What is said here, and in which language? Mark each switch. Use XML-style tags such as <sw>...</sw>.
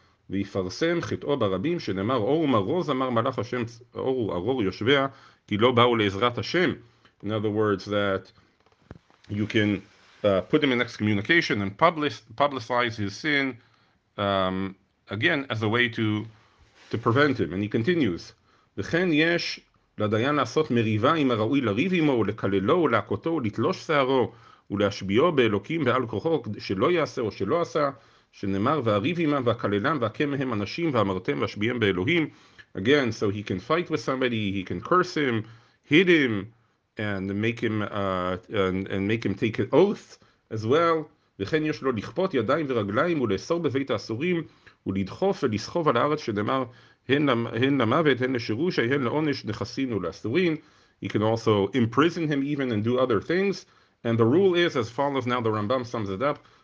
<he>ויפרסם חטאו ברבים שנאמר אור מרוז אמר מלאך השם אור ארור יושביה כי לא באו לעזרת השם.</he> <en>In other words, that you can put him in excommunication and publicize his sin again as a way to prevent him. And he continues,</en> <he>וכן יש לדיין לעשות מריבה עם הראוי לריב עמו ולקללו ולהקותו ולתלוש שערו ולהשביעו באלוקים ועל כוחו שלא יעשה או שלא עשה.</he> <en>Again, so he can fight with somebody, he can curse him, hit him, and make him and make him take an oath as well.</en> <he>וכן יש לו לכפות ידיים ורגליים ולאסור בבית האסורים ולדחוף ולסחוב על הארץ שנאמר הן למוות הן לשירוש הן לעונש נכסים ולאסורים.</he> <en>He can also imprison him even and do other things. And the rule is as follows. Now the Rambam sums it up.</en>